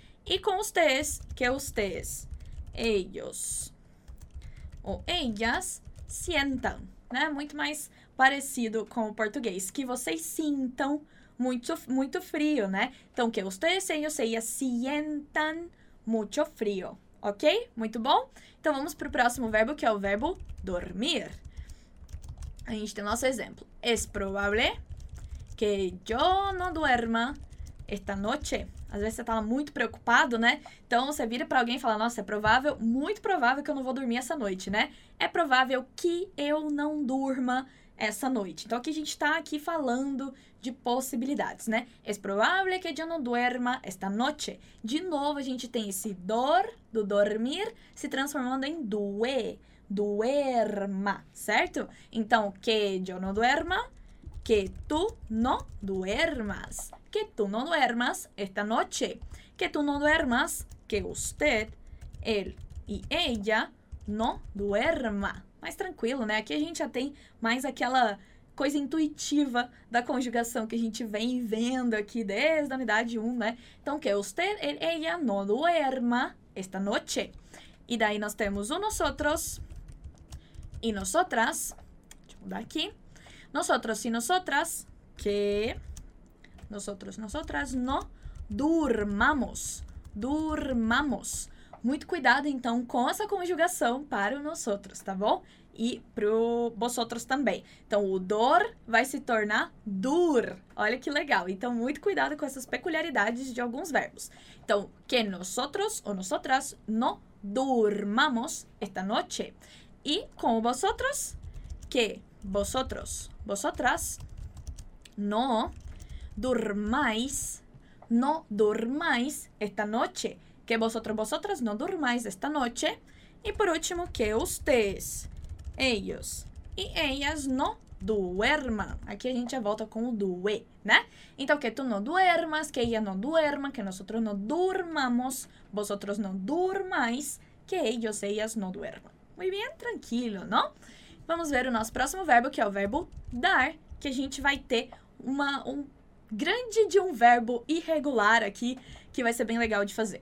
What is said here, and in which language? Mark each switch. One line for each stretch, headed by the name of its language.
Spanish: Y con ustedes, que ustedes, ellos o ellas sientan, ¿no? Mucho más parecido con el portugués. Que vocês sintam mucho, mucho frío, ¿no? Então, que ustedes, ellos, ellas sientan mucho frío. ¿Ok? Muy bien.
Portuguese: Então, vamos para o próximo verbo, que é o verbo dormir. A gente tem o nosso exemplo.
Spanish: Es probable que yo no duerma esta noche.
Portuguese: Às vezes você tá muito preocupado, né? Então você vira para alguém e fala: Nossa, é provável, muito provável que eu não vou dormir essa noite, né? É provável que eu não durma essa noite. Então aqui a gente está aqui falando de possibilidades, né?
Spanish: Es probable que yo no duerma esta noche.
Portuguese: De novo a gente tem esse dor do dormir se transformando em due.
Spanish: Duerma, certo? Então, que yo no duerma, que tú no duermas. Que tú no duermas esta noche. Que tú no duermas, que usted, él y ella no duerma.
Portuguese: Mais tranquilo, né? Aqui a gente já tem mais aquela coisa intuitiva da conjugação que a gente vem vendo aqui desde a unidade 1, né?
Spanish: Então, que usted, él, ella no duerma esta noche.
Portuguese: E daí nós temos o nosotros. E nosotras, deixa eu mudar aqui.
Spanish: Nosotros e nosotras, que nosotros, nosotras, no durmamos.
Portuguese: Durmamos. Muito cuidado, então, com essa conjugação para o nosotros, tá bom? e pro vosotros também. Então, o dor vai se tornar dur. Olha que legal. Então, muito cuidado com essas peculiaridades de alguns verbos.
Spanish: Então, que nosotros ou nosotras no durmamos esta noche. E com vosotros, que vosotros, vosotras no durmáis, no durmáis esta noche. Que vosotros, vosotras no durmáis esta noche. E por último, que ustedes, ellos e ellas no duerman.
Portuguese: Aqui a gente já volta com o due, né?
Spanish: Então, que tu no duermas, que ella no duerma, que nosotros no durmamos, vosotros no durmáis, que ellos, ellas no duerman. Muy bien, tranquilo, ¿no?
Portuguese: Vamos ver o nosso próximo verbo, que é o verbo dar, que a gente vai ter um grande de um verbo irregular aqui, que vai ser bem legal de fazer.